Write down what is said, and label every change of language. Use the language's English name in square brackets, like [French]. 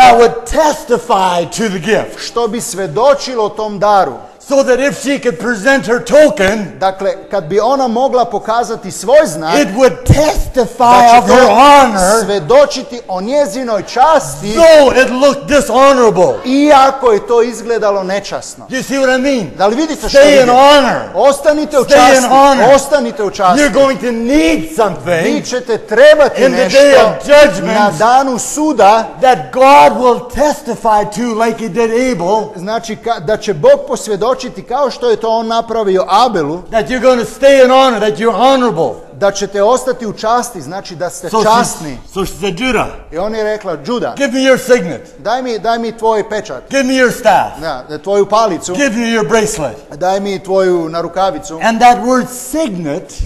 [English] That would testify to the gift. [Croatian] Što bi svedočilo tom daru. [English] So that if she could present her token, [Croatian] dakle, kad bi ona mogla pokazati svoj znak, [English] it would testify of her honor, [Croatian] svedočiti o njezinoj časti, [English] though it looked dishonorable, [Croatian] iako je to izgledalo nečasno. [English] You see what I mean? [Croatian] Da li vidite što [English] stay in honor. [Croatian] Ostanite u [English] stay [Croatian] časti. [English] In honor. [Croatian] Ostanite u časti. [English] You're going to need something. [Croatian] Vi ćete trebati [English] in [Croatian] nešto [English] the day of judgment, [Croatian] na danu suda, [English] that God will testify to like he did Abel. [Croatian] Znači, da će Bog posvjedočiti dočiti kao što je to on napravio Abelu, [English] that you're going to stay in honor, that you're honorable, [Croatian] da ćete ostati u časti, znači da ste [English] so [Croatian] časni. [English] She said, Judah, [Croatian] i on je rekla, Judah, [English] give me your signet, [Croatian] daj mi tvoj pečat, [English] give me your staff, [Croatian] da, tvoju palicu, [English] give me your bracelet, [Croatian] daj mi tvoju narukavicu. [English] And that word signet,